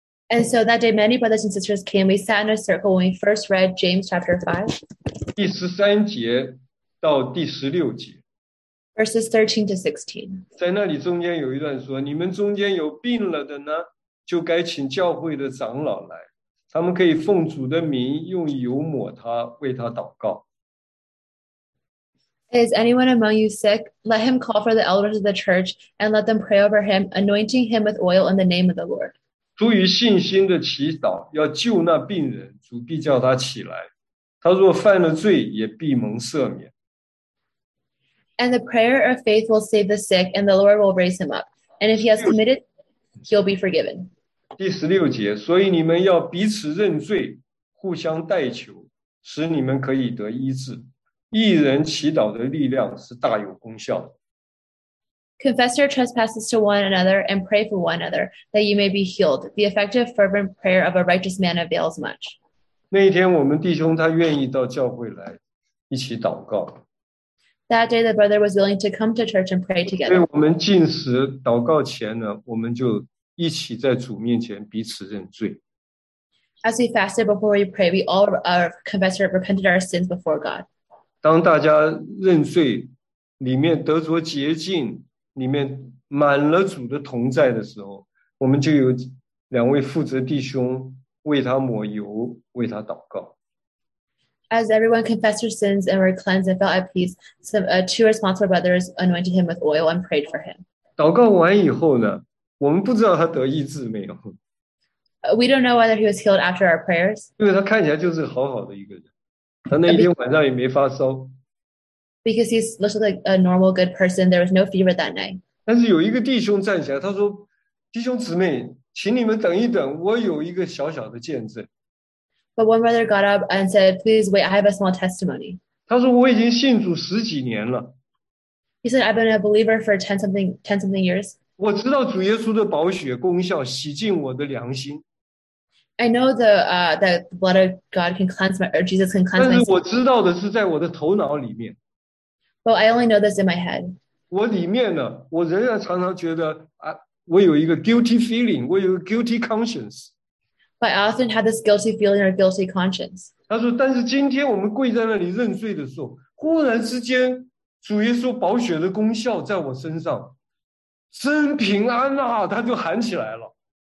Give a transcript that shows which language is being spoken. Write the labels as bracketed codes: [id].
[en] And so that day, many brothers and sisters came. We sat in a circle when we first read James chapter 5. [zh] 第十三节到第十六节。 [en] Verses 13 to 16. [zh] 在那里中间有一段说，你们中间有病了的呢，就该请教会的长老来，他们可以奉主的名用油抹他，为他祷告。 [en] Is anyone among you sick? Let him call for the elders of the church and let them pray over him, anointing him with oil in the name of the Lord. [zh] 出于信心的祈祷，要救那病人，主必叫他起来。他若犯了罪，也必蒙赦免。 [en] And the prayer of faith will save the sick, and the Lord will raise him up. And if he has committed, he'll be forgiven. [zh] 第十六节，所以你们要彼此认罪，互相代求，使你们可以得医治。一人祈祷的力量是大有功效的。 [en] Confess your trespasses to one another and pray for one another that you may be healed. The effective, fervent prayer of a righteous man avails much. [zh] 那一天，我们弟兄他愿意到教会来一起祷告。 [en] That day, the brother was willing to come to church and pray together. [zh] 所以我们进食祷告前呢，我们就一起在主面前彼此认罪。 [en] As we fasted before we pray, we all confessed and repented our sins before God. [zh] 当大家认罪，里面得着洁净，里面满了主的同在的时候，我们就有两位负责弟兄为他抹油，为他祷告。 [en] As everyone confessed their sins and were cleansed and felt at peace, two responsible brothers anointed him with oil and prayed for him. [zh] 祷告完以后呢，我们不知道他得医治没有。 [en] We don't know whether he was healed after our prayers. [zh] 因为他看起来就是好好的一个人，他那一天晚上也没发烧。 [en] Because he looked like a normal good person, there was no fever that night. [zh] 但是有一个弟兄站起来，他说：“弟兄姊妹，请你们等一等，我有一个小小的见证。 [en] But one brother got up and said, please wait, I have a small testimony. [zh] 他说我已经信主十几年了。 [en] He said, I've been a believer for ten something years. [zh] 我知道主耶稣的宝血功效洗净我的良心。 [en] I know that the blood of God can cleanse my, or Jesus can cleanse my soul. [zh] 但是我知道的是在我的头脑里面。 [en] But I only know this in my head. [zh] 我里面呢，我仍然常常觉得啊，我有一个 [en] guilty feeling, [zh] 我有一个 [en] guilty conscience。 But I often had this guilty feeling or guilty conscience. [zh] 他说，但是今天我们跪在那里认罪的时候，忽然之间，主耶稣宝血的功效在我身上，真平安啊，他就喊起来了。